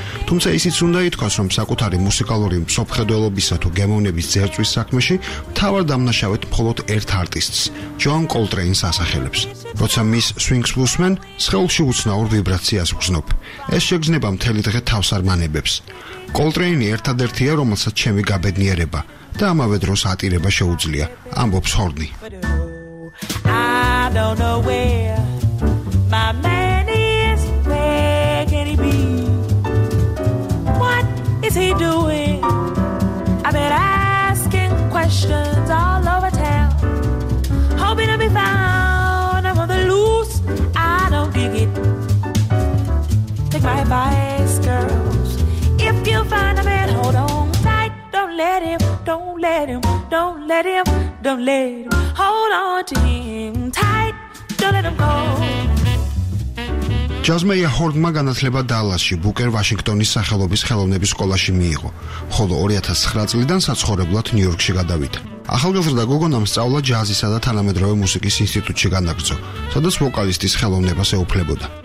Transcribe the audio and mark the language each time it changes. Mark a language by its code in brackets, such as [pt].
[ka] თუმცა ისიც უნდა ითქვას, რომ საკუთარი მუსიკალური მსოფლმხედველობისა თუ გემოვნების ძერწვის საქმეში მთავარ დამნაშავედ მხოლოდ ერთ არტისტს, ჯონ კოლტრეინს ასახელებს. როცა მის სვინგს ვუსმენ, სხეულში უცნაურ ვიბრაციას ვგრძნობ. ეს შეგრძნება მთელი დღე თავს არმანებებს. კოლტრეინი ერთადერთია, რომელსაც ჩემი გაბედნიერება და ამავე დროს ატირება შეუძლია, ამბობს ჰორნი. [en] don't know where my man is. Where can he be? What is he doing? I've been asking questions all over town, hoping to be found. I'm on the loose, I don't dig it. Take my advice, girls, if you find a man, hold on tight. Don't let him, don't let him, don't let him, don't let him. Hold on to him tight, don't let him go. [ka] Ჯაზმეია ჰორნმა განათლება დალასში, ბუკერ ვაშინგტონის სახელობის ხელოვნების სკოლაში მიიღო, ხოლო 2009 წლიდან საცხოვრებლად ნიუ-იორკში გადავიდა. ახალგაზრდა გოგონამ სწავლა ჯაზისა და თანამედროვე მუსიკის ინსტიტუტში განაგრძო, სადაც ვოკალისტის ხელოვნებას ეუფლებოდა.